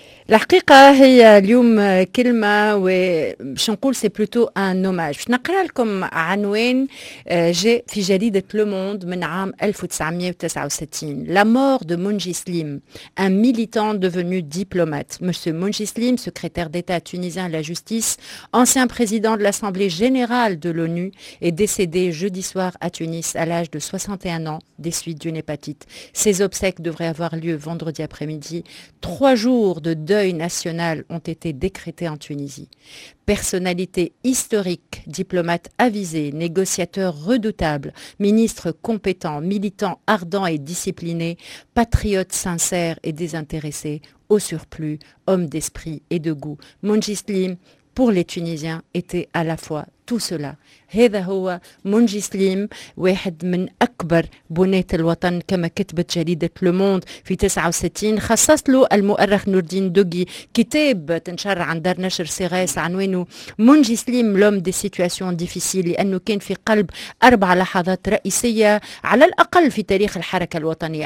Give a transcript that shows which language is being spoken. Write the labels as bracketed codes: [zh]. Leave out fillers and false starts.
[ar] الحقيقة هي اليوم كلمة وش نقول [fr] سي بلوتو ان هوماج. [ar] نقرا لكم عنوان جاء في جريدة لو موند من عام 1969. [fr] لا مور دو مونجي سليم ان ميليتان devenu diplomate. Monsieur مونجي سليم, secrétaire d'état tunisien à la justice, ancien président de l'assemblée générale de l'ONU, est décédé jeudi soir à Tunis à l'âge de 61 ans des suites d'une hépatite. Ses obsèques devraient avoir lieu vendredi après-midi. Trois jours de deuil national ont été décrétés en Tunisie. Personnalité historique, diplomate avisé, négociateur redoutable, ministre compétent, militant ardent et discipliné, patriote sincère et désintéressé, au surplus, homme d'esprit et de goût. Mounji Slim, pour les Tunisiens, était à la fois tout cela. [ar] هذا هو مونجي سليم, واحد من أكبر بناة الوطن كما كتبت جريدة لو موند في 69. خصص له المؤرخ نور الدين دوغي كتاب تنشر عند دار نشر سيغاس عنوانه مونجي سليم [fr] لوم دي سيتواسيون ديفيسيل, [ar] لأنه كان في قلب أربع لحظات رئيسية على الأقل في تاريخ الحركة الوطنية.